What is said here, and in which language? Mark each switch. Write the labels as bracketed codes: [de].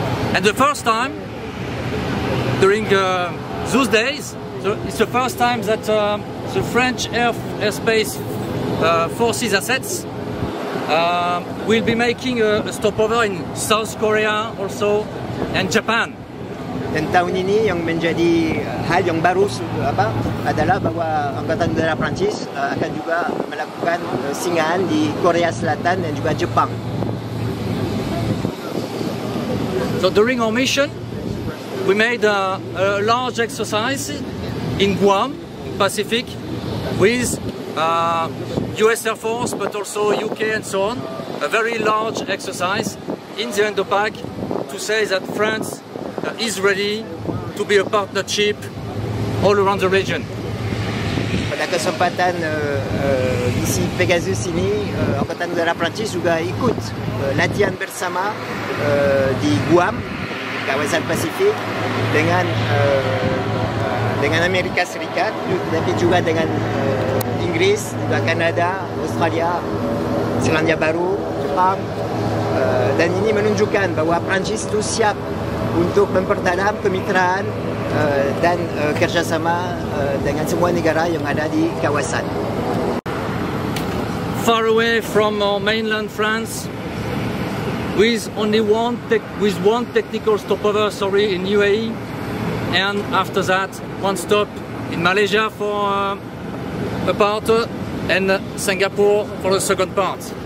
[en] And the first time during those days, so it's the first time that the French airspace forces assets will be making a stopover in South Korea also and Japan. [id] Dan tahun ini yang menjadi hal yang baru apa adalah bahwa Angkatan Udara Perancis akan juga melakukan singgahan di Korea Selatan dan juga Jepang. [en] So during our mission, we made a large exercise in Guam, Pacific, with US Air Force, but also UK and so on. A very large exercise in the Indo-Pac to say that France is ready to be a partnership all around the region. [id] Pada kesempatan ici Pegase ini, Angkatan Udara Perancis juga ikut latihan bersama di Guam, kawasan Pasifik dengan Amerika Serikat, tapi juga dengan Inggris, juga Kanada, Australia, Selandia Baru, Jepang, dan ini menunjukkan bahwa Perancis itu siap untuk memperdalam kemitraan dan kerjasama dengan semua negara yang ada di kawasan. [en] Far away from our mainland France, with one technical stopover, sorry, in UAE, and after that one stop in Malaysia for a part and Singapore for the second part.